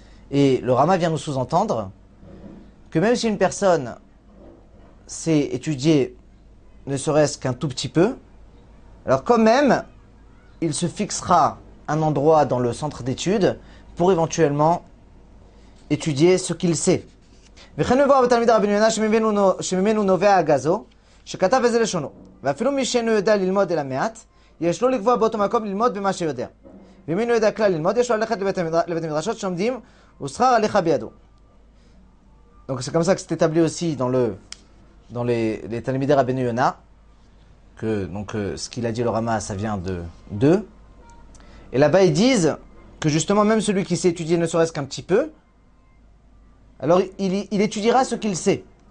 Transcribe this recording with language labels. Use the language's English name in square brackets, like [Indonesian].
[French] Et le Rama vient nous sous-entendre que même si une personne sait étudier ne serait-ce qu'un tout petit peu, alors quand même, il se fixera un endroit dans le centre d'études pour éventuellement étudier ce qu'il sait. [Hebrew] וכן מבואר בתלמיד רבי יונה שממנו נובע הגזו, שכתב איזה לשונו. ואפילו מי שאינו יודע ללמוד אלא מעט, יש לו לקבוע באותו מקום ללמוד במה שיודע. ואם אינו יודע כלל ללמוד, יש לו ללכת לבית המדרשות שעומדים, ושכר הליכה בידו. [French] Donc c'est comme ça que c'est établi aussi dans les תלמידי רבי יונה, que donc ce qu'il a dit le Rama, ça vient de d'eux. Et là-bas, ils disent que justement, même celui qui sait étudier ne serait-ce qu'un petit peu, alors il étudiera ce qu'il sait.